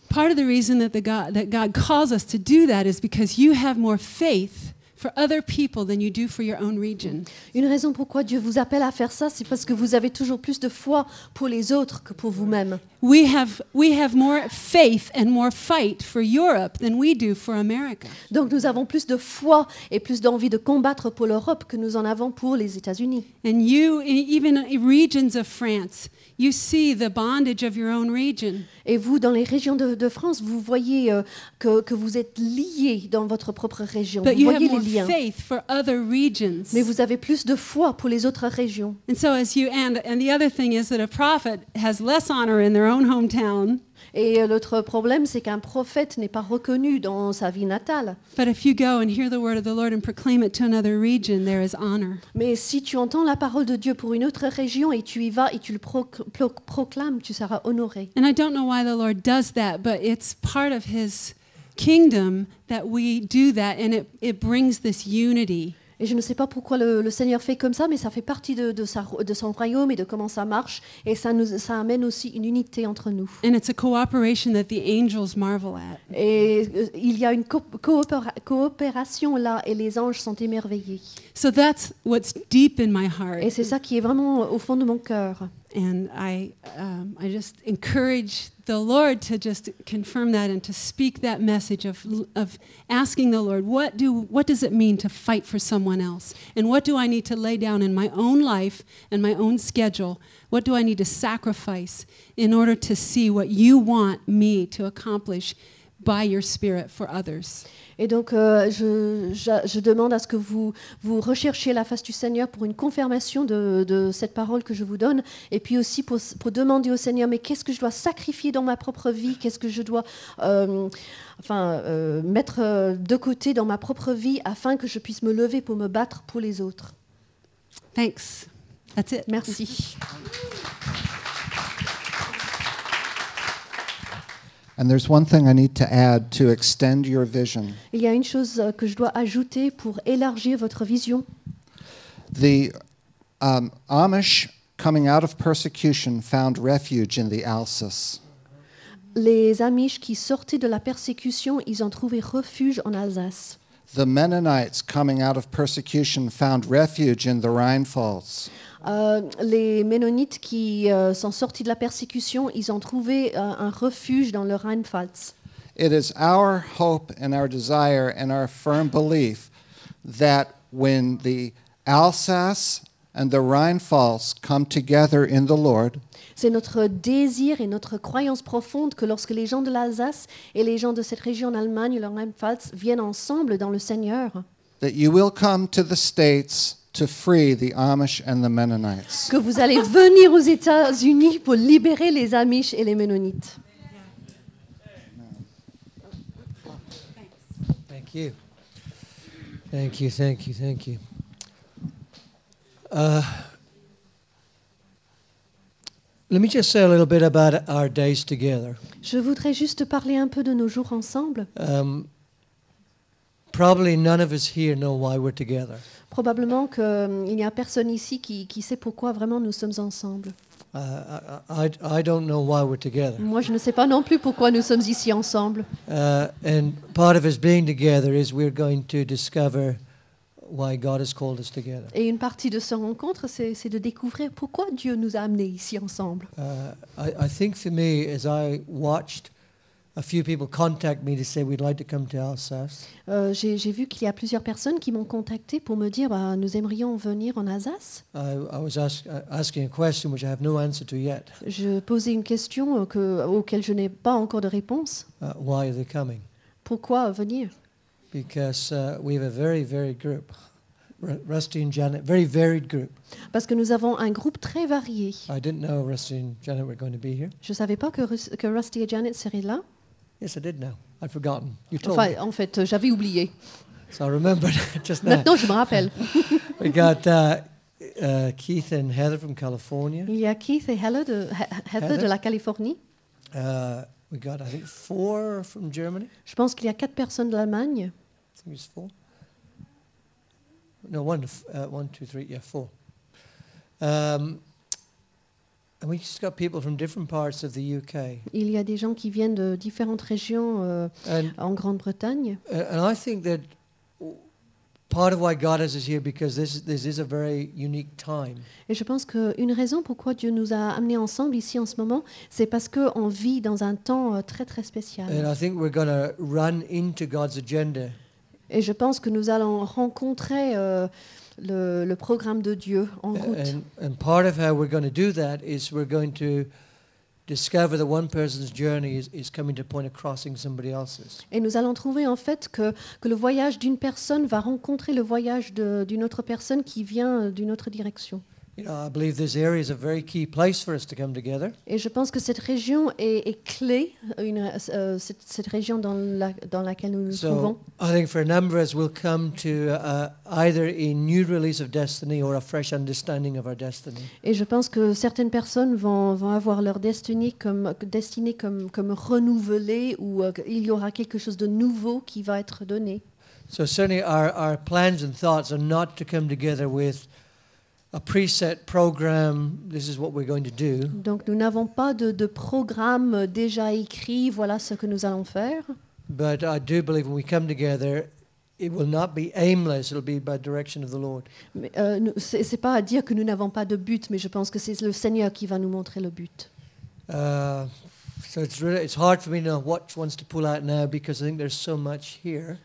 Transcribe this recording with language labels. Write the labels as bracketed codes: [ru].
[en] Part of the reason that God calls us to do that is because you have more faith for other people than you do for your own region. [fr] Une raison pourquoi Dieu vous appelle à faire ça, c'est parce que vous avez toujours plus de foi pour les autres que pour vous-même. [en] We have more faith and more fight for Europe than we do for America. [fr] Donc nous avons plus de foi et plus d'envie de combattre pour l'Europe que nous en avons pour les États-Unis. [en] And you, even in regions of France, you see the bondage of your own region. [fr] Et vous, dans les régions de France, vous voyez que vous êtes liés dans votre propre région. [en] But [fr] vous voyez les liens. [en] You have faith for other regions. [fr] Mais vous avez plus de foi pour les autres régions. [en] And so as you and the other thing is that a prophet has less honor in their own hometown. [fr] Et l'autre problème, c'est qu'un prophète n'est pas reconnu dans sa vie natale. [en] But if you go and hear the word of the Lord and proclaim it to another region, there is honor. [fr] Mais si tu entends la parole de Dieu pour une autre région et tu y vas et tu le proclames, tu seras honoré. [en] And I don't know why the Lord does that, but it's part of his kingdom that we do that, and it brings this unity. [fr] Et je ne sais pas pourquoi le Seigneur fait comme ça, mais ça fait partie de son royaume et de comment ça marche. Et ça amène aussi une unité entre nous. [en] And it's a cooperation that the angels marvel at. [fr] Et il y a une coopération là, et les anges sont émerveillés. [en] So that's what's deep in my heart. [fr] Et c'est ça qui est vraiment au fond de mon cœur. [en] And I just encourage the Lord to just confirm that and to speak that message of asking the Lord, what does it mean to fight for someone else? And what do I need to lay down in my own life and my own schedule? What do I need to sacrifice in order to see what you want me to accomplish by your Spirit for others? [fr] Et donc, je demande à ce que vous recherchiez la face du Seigneur pour une confirmation de cette parole que je vous donne, et puis aussi pour demander au Seigneur, mais qu'est-ce que je dois sacrifier dans ma propre vie, qu'est-ce que je dois mettre de côté dans ma propre vie afin que je puisse me lever pour me battre pour les autres. [en] Thanks. That's it. [fr] Merci. [en] And there's one thing I need to add to extend your vision. [fr] Il y a une chose que je dois ajouter pour élargir votre vision. [en] The Amish coming out of persecution found refuge in the Alsace. [fr] Les Amish qui sortaient de la persécution, ils ont trouvé refuge en Alsace. [en] The Mennonites coming out of persecution found refuge in the Rheinpfalz. [fr] Les Mennonites qui sont sortis de la persécution, ils ont trouvé un refuge dans le Rheinpfalz. [en] It is our hope and our desire and our firm belief that when the Alsace and the Rheinpfalz come together in the Lord, [fr] c'est notre désir et notre croyance profonde que lorsque les gens de l'Alsace et les gens de cette région d'Allemagne, le Rheinpfalz, viennent ensemble dans le Seigneur, [en] that you will come to the States to free the Amish and the Mennonites. [fr] Que vous allez venir aux États-Unis pour libérer les Amish et les Mennonites. [en] Thank you. Thank you, thank you, thank you. Let me just say a little bit about our days together. [fr] Je voudrais juste parler un peu de nos jours ensemble. [en] Probably none of us here know why we're together. [fr] Probablement qu'il n'y a personne ici qui sait pourquoi vraiment nous sommes ensemble. [en] I don't know why we're together. [fr] Moi, je ne sais pas non plus pourquoi nous sommes ici ensemble. [en] And part of us being together is we're going to discover why God has called us together. [fr] Et une partie de cette rencontre, c'est de découvrir pourquoi Dieu nous a amenés ici ensemble. [en] I think for me, as I watched a few people contact me to say we'd like to come to Alsace. [fr] J'ai vu qu'il y a plusieurs personnes qui m'ont contacté pour me dire nous aimerions venir en Alsace. [en] I was asking a question which I have no answer to yet. [fr] Je posais une question auquel je n'ai pas encore de réponse. [en] Why are they coming? [fr] Pourquoi venir? [en] Because we have a very varied group. Rusty and Janet, very varied group. [fr] Parce que nous avons un groupe très varié. [en] I didn't know Rusty and Janet were going to be here. [fr] Je savais pas que Rusty et Janet seraient là. [en] Yes, I did know. I'd forgotten. You told [fr] enfin, [en] me. [fr] En fait, j'avais oublié. [en] So I remembered just now. [fr] Maintenant, je me rappelle. [en] We got Keith and Heather from California. [fr] Il y a Keith et Heather de la Californie. [en] We got, I think, four from Germany. [fr] Je pense qu'il y a quatre personnes de l'Allemagne. [en] I think it's four. No, one, two, three, yeah, four. And we just got people from different parts of the UK. [fr] Il y a des gens qui viennent de différentes régions en Grande-Bretagne. [en] And I think that part of why God has us here because this is a very unique time. [fr] Et je pense que une raison pourquoi Dieu nous a amenés ensemble ici en ce moment, c'est parce que on vit dans un temps très très spécial. [en] And I think we're going to run into God's agenda. [fr] Et je pense que nous allons rencontrer le programme de Dieu en route. [en] And part of how we're going to do that is we're going to discover that one person's journey is coming to the point of crossing somebody else's. [fr] Et nous allons trouver en fait que le voyage d'une personne va rencontrer le voyage d'une autre personne qui vient d'une autre direction. [en] You know, I believe this area is a very key place for us to come together. [fr] Et je pense que cette région est clé, cette région dans laquelle nous nous trouvons. [en] So I think for a number of us, we'll come to either a new release of destiny or a fresh understanding of our destiny. [fr] Et je pense que certaines personnes vont avoir leur destinée comme renouvelée ou il y aura quelque chose de nouveau qui va être donné. [en] So certainly our plans and thoughts are not to come together with a preset program, this is what we're going to do. [fr] Donc nous n'avons pas de programme déjà écrit, voilà ce que nous allons faire. [en] But I do believe when we come together, it will not be aimless, it'll be by direction of the Lord. [fr] Mais c'est pas à dire que nous n'avons pas de but, mais je pense que c'est le Seigneur qui va nous montrer le but. [en] So it's hard for me to know what wants to pull out now because I think there's so much here.